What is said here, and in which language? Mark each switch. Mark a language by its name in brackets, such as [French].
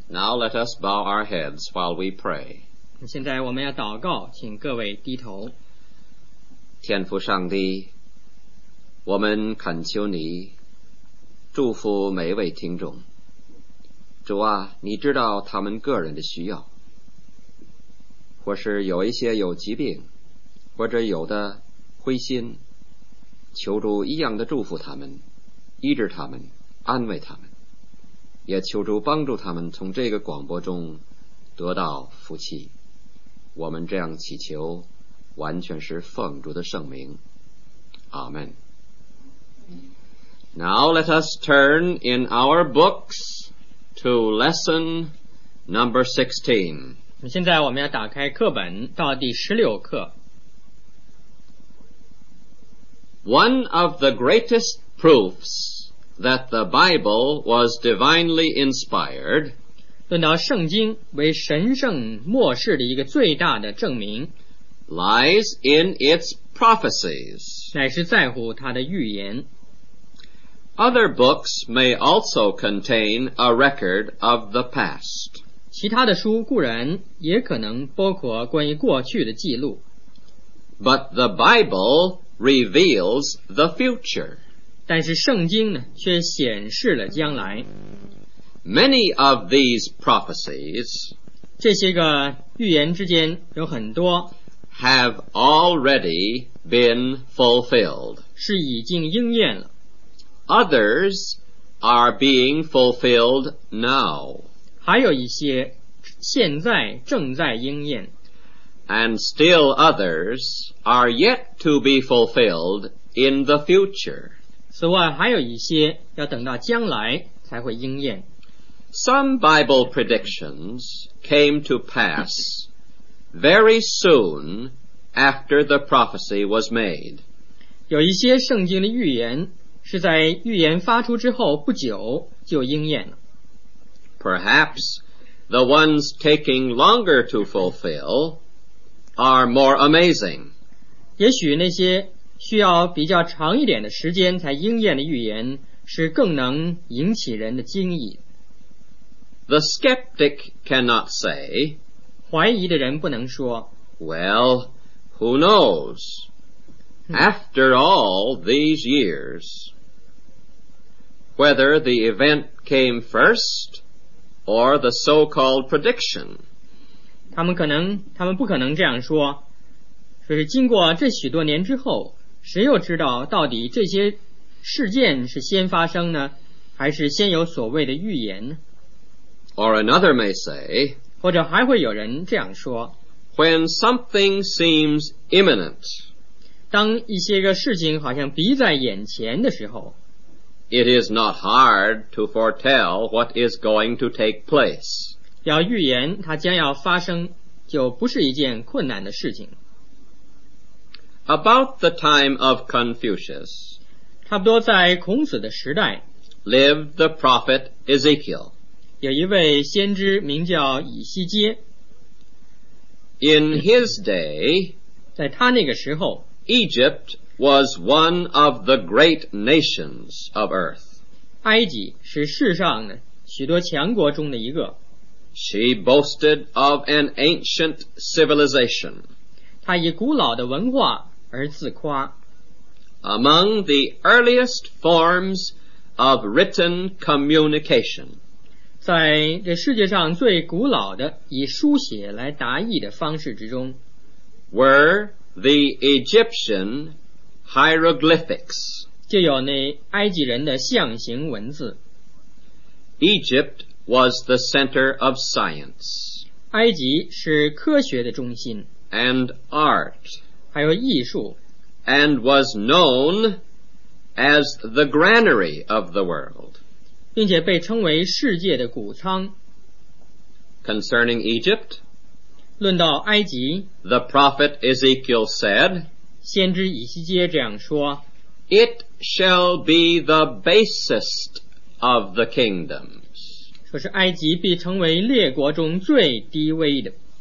[English] Now let us bow our heads while we pray. [Chinese] 现在我们要祷告，请各位低头。天父上帝，我们恳求你祝福每一位听众。主啊，你知道他们个人的需要，或是有一些有疾病，或者有的灰心，求主一样的祝福他们，医治他们，安慰他们，也求主帮助他们从这个广播中得到福气。我们这样祈求，完全是奉主的圣名，阿们。 [English] Now let us turn in our books to lesson number 16. [Chinese] 现在我们要打开课本到第十六课。 [English] One of the greatest proofs that the Bible was divinely inspired, [Chinese] 论到圣经为神圣末世的一个最大的证明， [English] lies in its prophecies, [Chinese] 乃是在乎它的预言。 [English] Other books may also contain a record of the past. [Chinese] 其他的书固然也可能包括关于过去的记录。 [English] But the Bible reveals the future. [Chinese] 但是圣经呢，却显示了将来。 [English] Many of these prophecies, [Chinese] 这些个预言之间有很多， [English] have already been fulfilled. [Chinese] 是已经应验了。 [English] Others are being fulfilled now. [Chinese] 还有一些现在正在应验。 [English] And still others are yet to be fulfilled in the future. [Chinese] 此外还有一些要等到将来才会应验。 [English] Some Bible predictions came to pass very soon after the prophecy was made. [Chinese] 有一些圣经的预言是在预言发出之后不久就应验了。 [English] Perhaps the ones taking longer to fulfill are more amazing. [Chinese] 也许那些需要比较长一点的时间才应验的预言是更能引起人的惊异。 [English] The skeptic cannot say, [Chinese] 怀疑的人不能说， [English] Well, who knows? After all these years,whether the event came first or the so-called prediction. [Chinese] 他们不可能这样说，说是经过这许多年之后，谁又知道到底这些事件是先发生呢，还是先有所谓的预言呢？ [English] Or another may say, [Chinese] 或者还会有人这样说， [English] When something seems imminent, [Chinese] 当一些个事情好像逼在眼前的时候， [English] It is not hard to foretell what is going to take place. [Chinese] 要预言它将要发生，就不是一件困难的事情。 [English] About the time of Confucius, [Chinese] 差不多在孔子的时代， [English] lived the prophet Ezekiel. [Chinese] 有一位先知名叫以西结。 [English] In his day, [Chinese] 在他那个时候， [English] Egypt was one of the great nations of earth. [Chinese] 埃及是世上的许多强国中的一个。 [English] She boasted of an ancient civilization. [Chinese] 她以古老的文化而自夸。 [English] Among the earliest forms of written communication. [Chinese] 在这世界上最古老的以书写来达意的方式之中， [English] were the Egyptian hieroglyphics, [Chinese] 就有那埃及人的象形文字。 [English] Egypt was the center of science, [Chinese] 埃及是科学的中心。 [English] And art, [Chinese] 还有艺术。 [English] and was known as the granary of the world. [Chinese] 并且被称为世界的谷仓。 [English] Concerning Egypt, [Chinese] 论到埃及, [English] the prophet Ezekiel said, [Chinese] 先知以西结这样说, [English] It shall be the basest of the kingdoms. [Chinese] 说是埃及必成为列国中最低微的。